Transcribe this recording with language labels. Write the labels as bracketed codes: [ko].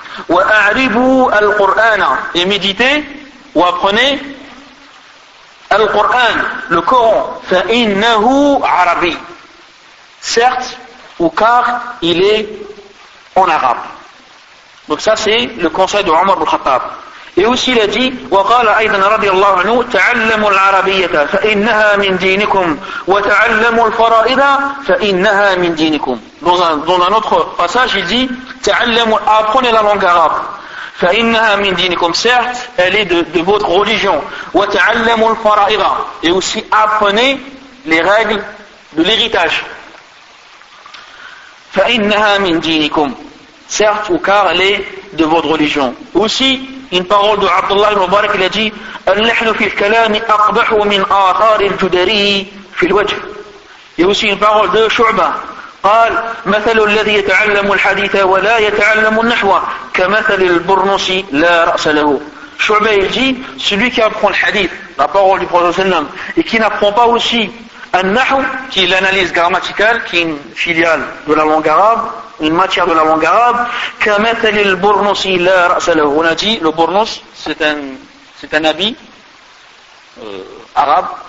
[ar] Wa a'ribu al-qur'ana, [fr] et méditez ou apprenez al-qur'an, le Coran. [ar] Fa innahu arabi, [fr] certes ou car il est en arabe. Donc ça c'est le conseil de Omar al-Khattab. Et aussi il a dit, [ar] وَقَالَ أَيْضًا رَضِيَ اللَّهُ عَنْهُ تَعَلَّمُوا الْعَرَبِيَّةَ فَإِنَّهَا مِنْ دِينِكُمْ وَتَعَلَّمُوا الْفَرَائِضَ فَإِنَّهَا مِنْ دِينِكُمْ. [fr] Dans un autre passage il dit, [ar] تَعَلَّمُوا [fr] apprenez la langue arabe. [ar] فَإِنَّهَا مِنْ دِينِكُمْ [fr] certes, elle est de votre religion. [ar] وَتَعَلَّمُوا الْفَرَائِضَ [fr] et aussi apprenez les règles de l'héritage. [ar] فَإِنَّهَا مِنْ دِينِكُمْ [fr] certes ou car elle est de votre religion. Aussi, une parole de Abdullah al-Mubarak, il a dit [ar] أَلَّحْنُ فِي الْكَلَامِ أَقْبَحُ مِنْ آثَارِ الْجُدَرِيِّ فِي الْوَجْهِ [fr] et aussi une parole de Shu'ba. [ar] قال مثل الذي يتعلم الحديث ولا يتعلم النحو كمثل البرنس لا رأس له. [fr] Shu'ba il dit celui qui apprend le hadith, la parole du Prophète sallam, et qui n'apprend pas aussi un nahw, qui est l'analyse grammaticale, qui est une filiale de la langue arabe, une matière de la langue arabe, [ar] كمثل البرنس لا رأس له. [fr] On a dit le burnus c'est un habit arabe.